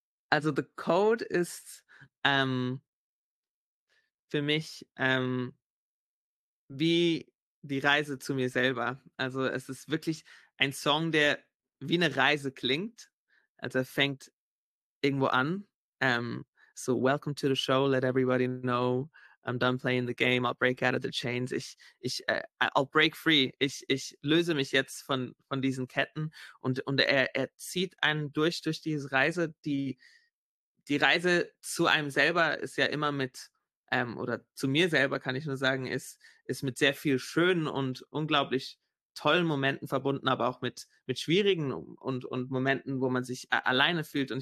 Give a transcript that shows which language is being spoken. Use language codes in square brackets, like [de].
[de] Also The Code ist für mich wie die Reise zu mir selber. Also es ist wirklich ein Song, der wie eine Reise klingt. Also er fängt irgendwo an. [en] So, welcome to the show, let everybody know I'm done playing the game, I'll break out of the chains. I'll break free. [de] Ich löse mich jetzt von diesen Ketten. Und er zieht einen durch diese Reise. Die Reise zu einem selber ist ja immer mit oder zu mir selber kann ich nur sagen, ist mit sehr viel schönen und unglaublich tollen Momenten verbunden, aber auch mit schwierigen und Momenten, wo man sich alleine fühlt.